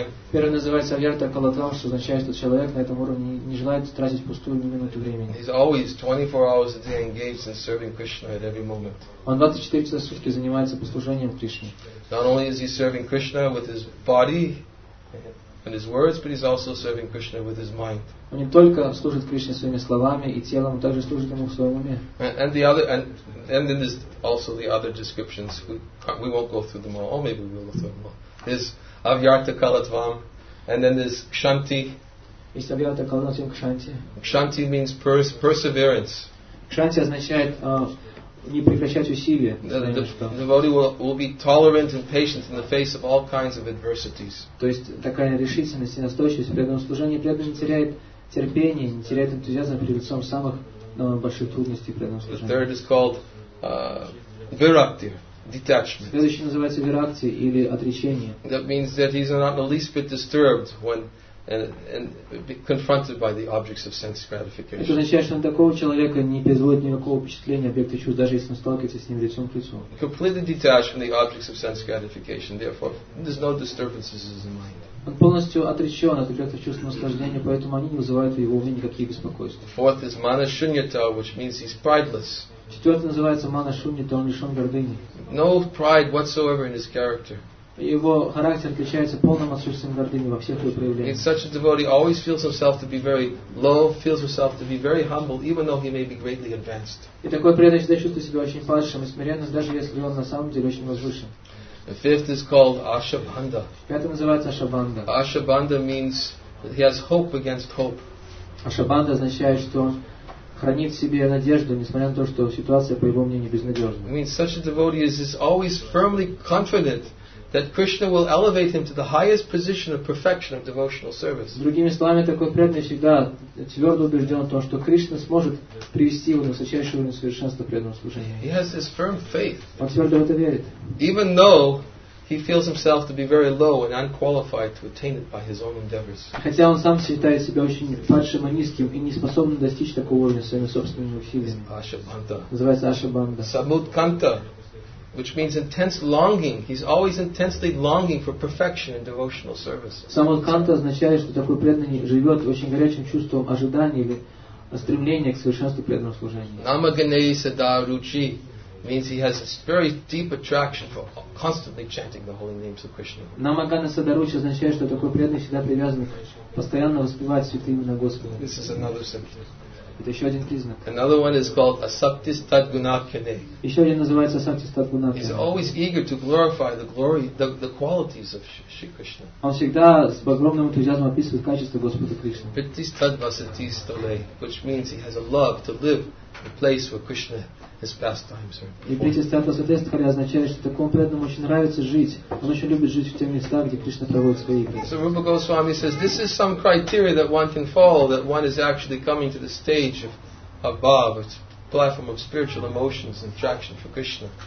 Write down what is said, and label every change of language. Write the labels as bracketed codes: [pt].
[ru] Первый называется авьярта калатвам, что означает, что человек на этом уровне не желает тратить пустую ни минуту времени. [en] He's always 24 hours a day engaged in serving Krishna at every moment. [ru] Он 24 часа в сутки занимается послужением Кришне. [en] Not only is he serving Krishna with his body and his words, but he's also serving Krishna with his mind. [ru] Он не только служит Кришне своими словами и телом, он также служит ему в своем уме. [en] And then there's also the other descriptions. We won't go through them all. Oh, maybe we'll go through them all. There's avyarta kalatvam, and then there's kshanti. [ru] Есть авьярта калатвам, кшанти. [en] Кшанти means perseverance. [ru] Кшанти означает не прекращать усилия. [en] The devotee will be tolerant and patient in the face of all kinds of adversities. [ru] То есть такая решительность и настойчивость в преданном служении, преданный не теряет терпение, не теряет энтузиазм перед лицом самых больших трудностей в преданном служении. [en] The third is called virakti, detachment. [ru] Следующий называется виракти или отречение. [en] That means that he's not in the least bit disturbed when and be confronted by the objects of sense gratification. [ru] Это означает, что такого человека не производит никакого впечатления объекты чувств, даже если он сталкивается с ним лицом к лицу. [en] Completely detached from the objects of sense gratification, therefore there's no disturbances in his mind. [ru] Он полностью отречен от объектов чувства наслаждения, поэтому они не вызывают в его уме никаких беспокойств. [en] Fourth is mana shunyata, which means he's prideless. [ru] Четвертый называется мана шуньята, он лишен гордыни. [en] No pride whatsoever in his character. [ru] Его характер отличается полным отсутствием гордыни во всех его проявлениях. [en] In such a devotee always feels himself to be very low, feels himself to be very humble, even though he may be greatly advanced. [ru] И такой преданный всегда чувствует себя очень падшим и смиренным, даже если он на самом деле очень возвышен. [en] The fifth is called Ashabandha. [ru] Пятый называется Ашабанда. [en] Ашабанда means that he has hope against hope. [ru] Ашабанда означает, что он хранит в себе надежду, несмотря на то, что ситуация, по его мнению, безнадежна. [en] It means such a devotee is always firmly confident that Krishna will elevate him to the highest position of perfection of devotional service. [ru] Другими словами, такой преданный всегда твердо убежден в том, что Кришна сможет привести его на высочайший уровень совершенства преданного служения. [en] He has this firm faith. [ru] Он твердо в это верит. [en] Even though he feels himself to be very low and unqualified to attain it by his own endeavors. [ru] Хотя он сам считает себя очень падшим и низким и не способным достичь такого уровня своими собственными усилиями. Ашабанда. Называется Ашабанда. Самудканта. [en] Which means intense longing. He's always intensely longing for perfection in devotional service. [ru] Самудканта означает, что такой преданный живет очень горячим чувством ожидания или стремления к совершенству преданного служения. [en] Намаганеи садаручи means he has a very deep attraction for constantly chanting the holy names of Krishna. [ru] Намагана садаручи означает, что такой преданный всегда привязан к постоянно воспевать святые имена Господа. [en] This is another symptom. [ru] Это еще один признак. [en] Another one is called asaptistat gunakyane. [ru] Еще один называется asaptistat gunakyane. [en] He's always eager to glorify the glory, the qualities of Shri Krishna. [ru] Он всегда с огромным энтузиазмом описывает качества Господа Кришны. [en] Asaptistat vasati stale, which means he has a love to live in the place where Krishna his pastimes are. [ru] И asaptistat vasati stale означает, что такому преданному очень нравится жить. Он очень любит жить в тех местах, где Кришна проводит свои игры. [en] So Rupa Goswami says this is some criteria that one can follow, that one is actually coming to the stage of above, it's platform of spiritual emotions and attraction for Krishna.